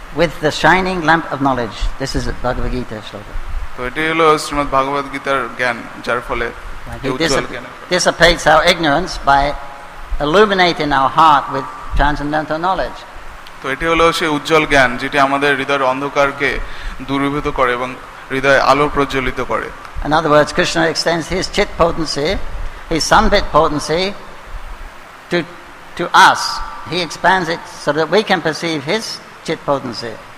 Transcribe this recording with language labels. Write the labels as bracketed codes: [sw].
[en] With the shining lamp of knowledge, this is a Bhagavad Gita shloka. [bn] তো এটি হলো শ্রীমদ ভাগবত গীতার জ্ঞান, যার ফলে [en] dissipates our ignorance by illuminating our heart with transcendental knowledge. [bn] তো এটি হলো সেই উজ্জ্বল জ্ঞান যেটি আমাদের হৃদয়ের অন্ধকারকে দূরীভূত করে এবং হৃদয়ে আলো প্রজ্বলিত করে। [en] In other words, Krishna extends his chit potency, his sambit potency to us. He expands it so that we can perceive his chit potency.